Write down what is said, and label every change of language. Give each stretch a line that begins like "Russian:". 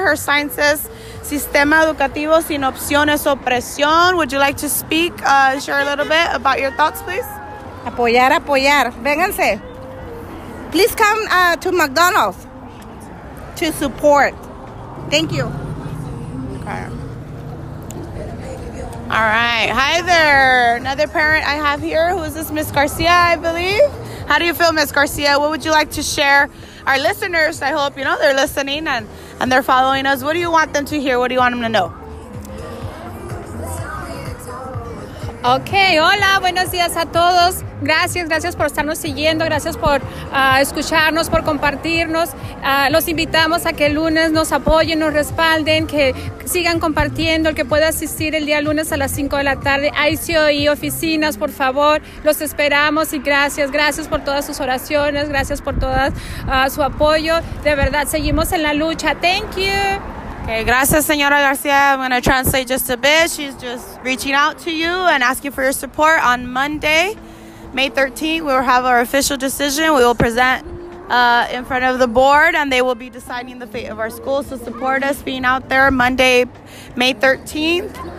Spanish: Her sign says, Sistema Educativo Sin Opciones Opresión.
English: Would you like to speak, share a little bit about your thoughts, please?
Spanish: Apoyar, apoyar. Vénganse.
English: Please come to McDonald's to support. Thank you. Okay. All right. Hi there. Another parent I have here. Who is this? Miss Garcia, I believe. How do you feel, Miss Garcia? What would you like to share? Our listeners, I hope, you know, they're listening and they're following us. What do you want them to hear? What do you want them to know?
Spanish: Okay, hola, buenos días a todos. Gracias, gracias por estarnos siguiendo, gracias por escucharnos, por compartirnos. Los invitamos a que el lunes nos apoyen, nos respalden, que sigan compartiendo, el que pueda asistir el día lunes a las 5 de la tarde. ICOE Oficinas, por favor, los esperamos y gracias, gracias por todas sus oraciones, gracias por todo su apoyo. De verdad, seguimos en la lucha.
English: Thank you.
Spanish: Okay, gracias, señora García.
English: I'm going to translate just a bit. She's just reaching out to you and asking for your support. On Monday, May 13th, we will have our official decision. We will present in front of the board, and they will be deciding the fate of our school. So support us being out there Monday, May 13th.